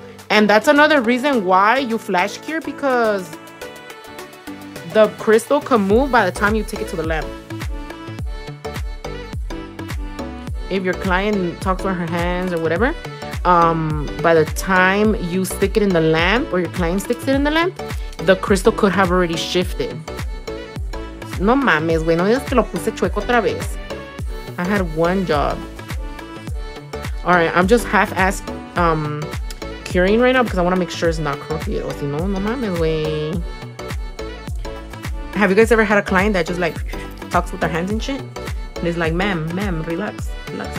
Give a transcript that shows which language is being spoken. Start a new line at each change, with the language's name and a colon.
English: And that's another reason why you flash cure, because the crystal can move by the time you take it to the lamp. If your client talks with her hands or whatever, by the time you stick it in the lamp or your client sticks it in the lamp, the crystal could have already shifted.
Spanish: No mames, güey. No digas que lo puse chueco otra vez.
English: I had one job. All right, I'm just half-assed curing right now because I want to make sure it's not crooked. Or
Spanish: no, no mames, way.
English: Have you guys ever had a client that just like talks with their hands and shit? And it's like, ma'am, relax, relax.